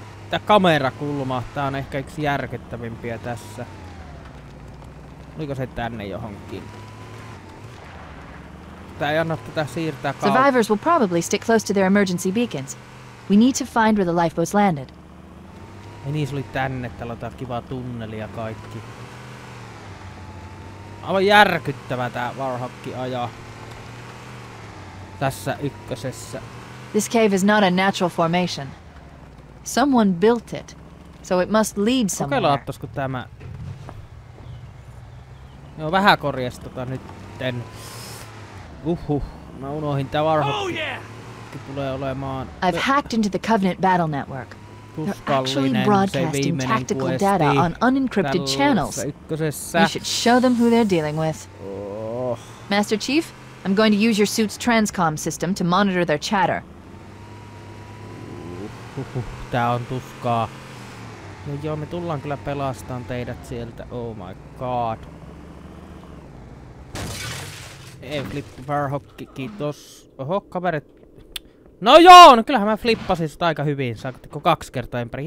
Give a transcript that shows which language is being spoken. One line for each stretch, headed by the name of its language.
Finnish: tää kamerakulma. Tää on ehkä yksi järkyttävimpiä tässä. Oliko se tänne johonkin? Tää ei anna tätä siirtää kautta.
English: Survivors will probably stick close to their emergency beacons. We need to find where the lifeboats landed.
Finnish: Ei niin, se oli tänne. Täällä on tää kiva tunneli ja kaikki. Aivan järkyttävä tää Warhawk ajaa. Tässä ykkösessä.
English: This cave is not a natural formation. Someone built it, so it must lead somewhere.
Finnish: Kokeillaan ottais, kun tämä... Joo, vähän korjas tota nytten. Mä unohdin tää Warhawk.
English: Oh yeah!
Finnish: Tulee olemaan...
English: I've hacked into the Covenant Battle Network. They're actually broadcasting tactical data on unencrypted channels.
Finnish: Ykkösessä.
English: You should show them who they're dealing with. Oh. Master Chief, I'm going to use your suit's transcom system to monitor their chatter.
Finnish: Tää on tuskaa. No joo, me tullaan kyllä pelastamaan teidät sieltä.
English: Oh my god.
Finnish: Ei, flippi Warhawkki, kiitos. Oho, kaverit. No joo, no kyllähän mä flippasin sitä aika hyvin. Saatteko kaksi kertaa ympäri?